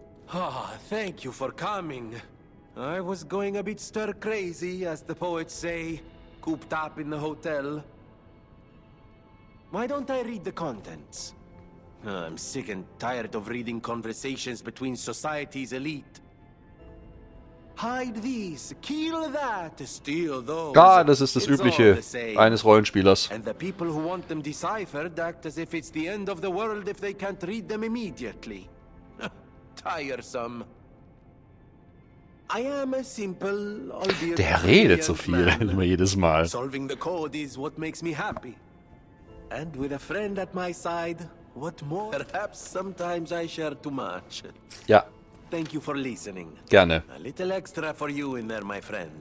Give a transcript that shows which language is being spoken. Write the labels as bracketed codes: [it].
[en] Ah, oh, thank you for coming. I was going a bit stir crazy, as the poets say, cooped up in the hotel. Why don't I read the contents? I'm sick and tired of reading conversations between society's elite. Hide these, kill that, steal those. [de] Ja, das ist das Übliche eines Rollenspielers. [en] And the people who want them deciphered act as if it's the end of the world if they can't read them immediately. Tiresome. I am a simple, albeit. [de] Der redet so viel immer jedes Mal. [en] Solving the code is what makes me happy. And with a friend at my side, what more? Perhaps sometimes I share too much. [de] Ja. [en] Thank you for listening. [de] Gerne. [en] A little extra for you in there, my friend.